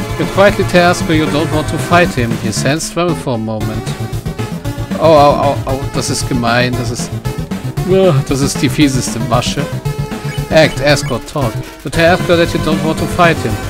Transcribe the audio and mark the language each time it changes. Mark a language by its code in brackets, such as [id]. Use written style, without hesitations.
[en] You quietly tell Ascor you don't want to fight him. He stands firm for a moment. [de] Oh, oh, oh, oh, das ist gemein, das ist die fieseste Masche. [en] Act, Ascor, talk. You tell Ascor that you don't want to fight him.